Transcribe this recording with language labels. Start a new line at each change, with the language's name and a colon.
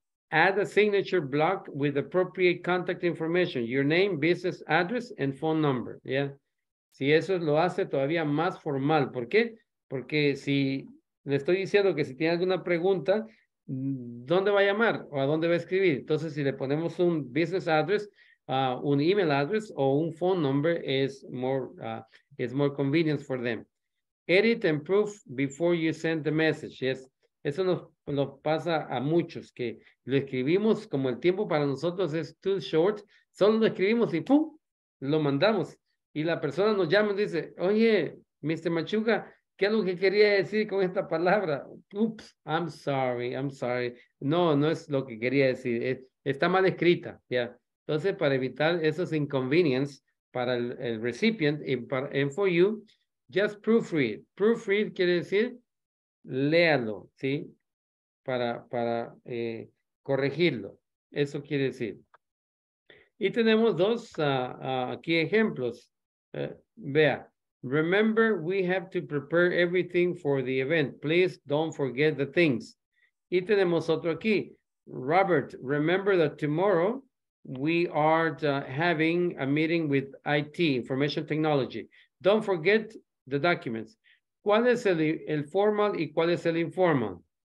English: Add a signature block with appropriate contact information, your name, business address, and phone number.
Spanish: Yeah. Si eso lo hace todavía más formal. ¿Por qué? Porque si le estoy diciendo que si tiene alguna pregunta, ¿dónde va a llamar? ¿O a dónde va a escribir? Entonces, si le ponemos un business address, un email address, o un phone number,
English: is more convenient for them. Edit and proof before you send the message. Yes.
Spanish: Eso nos pasa a muchos, que lo escribimos como el tiempo para nosotros es
English: too short,
Spanish: solo lo escribimos y ¡pum! Lo mandamos. Y la persona nos llama y dice, oye, Mr. Machuca, ¿qué es lo que quería decir con esta palabra?
English: Oops, I'm sorry.
Spanish: No es lo que quería decir. Está mal escrita, ¿ya? Yeah. Entonces, para evitar esos inconvenience para el recipient
English: and for you, just proofread.
Spanish: Proofread quiere decir léalo, ¿sí? Para corregirlo. Eso quiere decir. Y tenemos dos aquí ejemplos. Vea.
English: Remember, we have to prepare everything for the event. Please don't forget the things.
Spanish: Y tenemos otro aquí.
English: Robert, remember that tomorrow we are having a meeting with IT, information technology. Don't forget the documents.
Spanish: ¿Cuál es el formal y cuál es el informal?